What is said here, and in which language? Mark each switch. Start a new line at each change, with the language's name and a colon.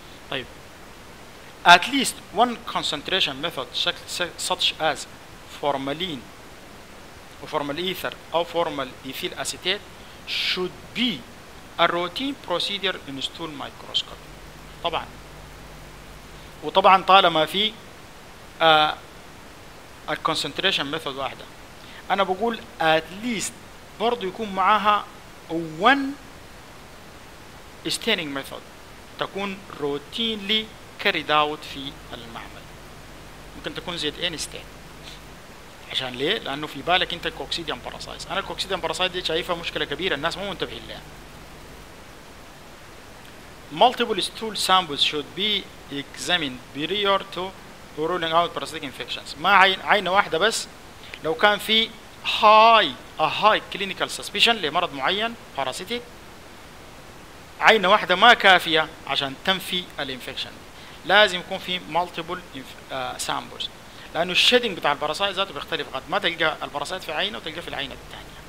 English: طيب at least one concentration method such as formalin or formal ether or formal ethyl acetate should be a routine procedure in stool microscopy.
Arabic: طبعا وطبعا طالما في
English: a concentration method
Arabic: واحدة، أنا بقول
English: at least
Arabic: برضو يكون معها
English: one staining method
Arabic: تكون روتينلي كاريد اوت في المعمل. ممكن تكون زيت انستين. عشان ليه؟ لانه في بالك انت الكوكسيديوم باراسايز. انا الكوكسيديوم باراسايز دي شايفها مشكله كبيره الناس مو منتبهين لها.
English: Multiple stool samples should be examined prior to ruling out parasitic infections.
Arabic: ما عينه واحده بس، لو كان في
English: high clinical suspicion
Arabic: لمرض معين
English: parasitic،
Arabic: عينة واحدة ما كافية عشان تنفي الانفكشن. لازم يكون في مالتيبل سامبلز، لأنه الشيدنج بتاع الباراسايت ذاته بيختلف، قد ما تلقى الباراسايت في عينة وتلقى في العينة الثانية.